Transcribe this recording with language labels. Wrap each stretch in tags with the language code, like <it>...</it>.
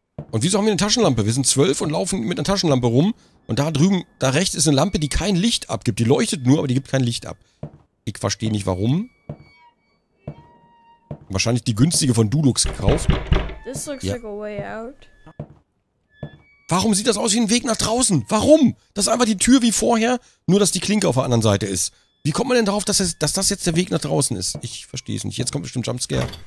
<de>Und wieso haben wir eine Taschenlampe? Wir sind 12 und laufen mit einer Taschenlampe rum. Und da drüben, da rechts ist eine Lampe, die kein Licht abgibt. Die leuchtet nur, aber die gibt kein Licht ab. Ich verstehe nicht, warum. Wahrscheinlich die günstige von Dulux gekauft.</de> <en>This looks like a way out.</en> <de>Warum sieht das aus wie ein Weg nach draußen? Warum? Das ist einfach die Tür wie vorher, nur dass die Klinke auf der anderen Seite ist. Wie kommt man denn darauf, dass das jetzt der Weg nach draußen ist? Ich verstehe es nicht. Jetzt kommt bestimmt Jumpscare.</de>